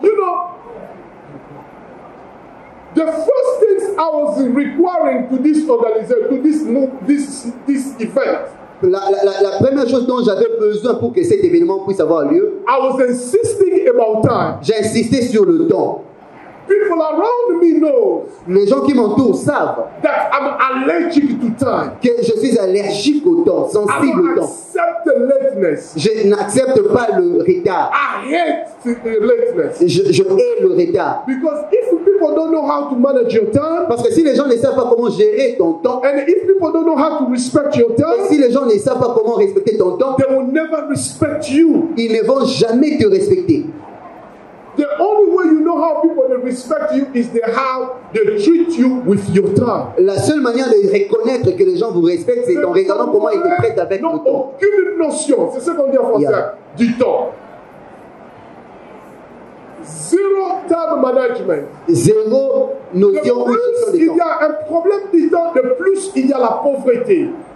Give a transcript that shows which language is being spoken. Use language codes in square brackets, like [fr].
[en] You know, the first things I was requiring to this organization, to this move, this event. [fr] La première chose dont j'avais besoin pour que cet événement puisse avoir lieu, [en] I was insisting about time. [fr] J'insistais sur le temps. [en] People around me know. [fr] Les gens qui m'entourent savent [en] that I'm allergic to time. [fr] Que je suis allergique au temps, sensible au temps. [en] I don't accept the lateness. [fr] Je n'accepte pas le retard. [en] I hate the lateness. [fr] Je hais le retard. [en] Because if people don't know how to manage your time, [fr] parce que si les gens ne savent pas comment gérer ton temps, [en] and if people don't know how to respect your time, [fr] et si les gens ne savent pas comment respecter ton temps, [en] they will never respect you. [fr] Ils ne vont jamais te respecter. [en] The only way you know how people respect you is the how they treat you with your time. [fr] La seule manière de reconnaître que les gens vous respectent, c'est en regardant comment ils te traitent avec le temps. Aucune notion, c'est ce qu'on dit en français, yeah. Du temps. [en] Zero time management. [fr] Zéro notion de temps. Plus il y a un problème du temps, de plus il y a la pauvreté.